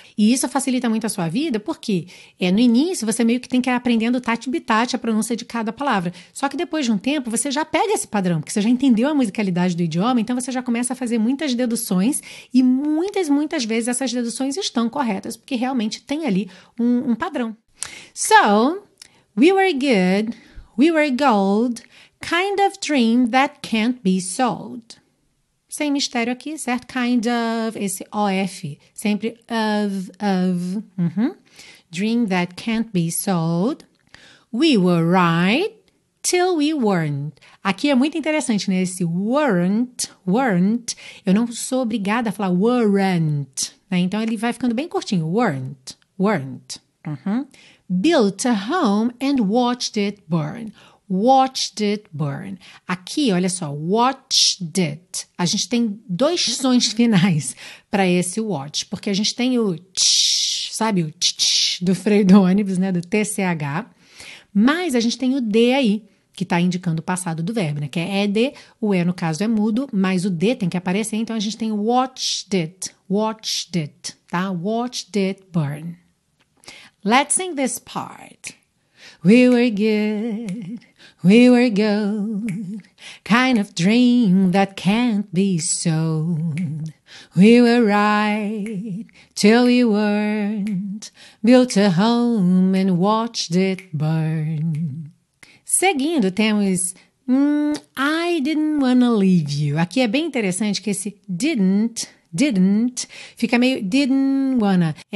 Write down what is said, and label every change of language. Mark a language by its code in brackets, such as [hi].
[pt] E isso facilita muito a sua vida, porque no início você meio que tem que ir aprendendo tati-bitati a pronúncia de cada palavra. Só que depois de um tempo você já pega esse padrão, porque você já entendeu a musicalidade do idioma, então você já começa a fazer muitas deduções e muitas, muitas vezes essas deduções estão corretas, porque realmente tem ali um padrão. [en] So, we were good, we were gold, kind of dream that can't be sold. [pt] Sem mistério aqui, certo? Kind of, esse OF, sempre of, uhum. [en] Dream that can't be sold. We were right till we weren't. [pt] Aqui é muito interessante, né? Esse weren't, eu não sou obrigada a falar weren't, né? Então ele vai ficando bem curtinho, weren't, uhum. [en] Built a home and watched it burn. [pt] Aqui, olha só, watched it. A gente tem dois sons finais para esse watch, porque a gente tem o tch, sabe, o tch, tch do freio do ônibus, né, do TCH, mas a gente tem o D aí, que está indicando o passado do verbo, né, que é ED, o E no caso é mudo, mas o D tem que aparecer, então a gente tem watched it, tá, [en] watched it burn. Let's sing this part. We were good, we were gold, kind of dream that can't be sold. We were right till we weren't, built a home and watched it burn. [pt] Seguindo, temos [en] I didn't wanna leave you. [pt] Aqui é bem interessante que esse didn't, fica meio didn't wanna.